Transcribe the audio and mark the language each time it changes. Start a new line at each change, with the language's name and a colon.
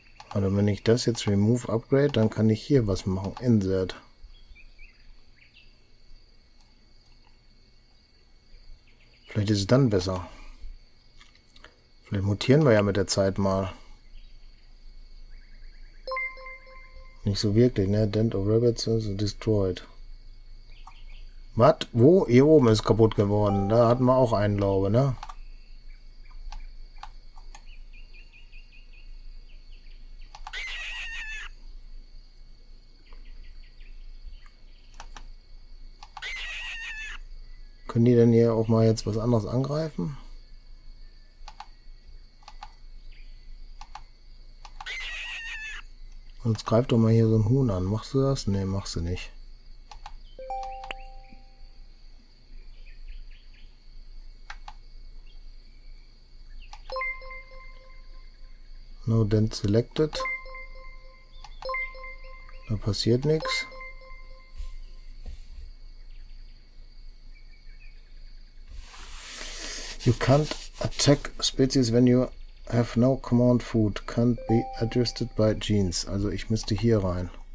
German: Also wenn ich das jetzt Remove Upgrade, dann kann ich hier was machen. Insert. Vielleicht ist es dann besser. Vielleicht mutieren wir ja mit der Zeit mal. Nicht so wirklich, ne?
English: Dent of Rabbits is destroyed.
German: Was? Wo? Hier oben ist kaputt geworden. Da hatten wir auch einen, glaube ich, ne? Können die denn hier auch mal jetzt was anderes angreifen? Sonst greift doch mal hier so ein Huhn an. Machst du das? Nee, machst du nicht.
English: No dent selected.
German: Da passiert nichts.
English: You can't attack species when you have no command food. Can't be adjusted by genes.
German: Also ich müsste hier rein.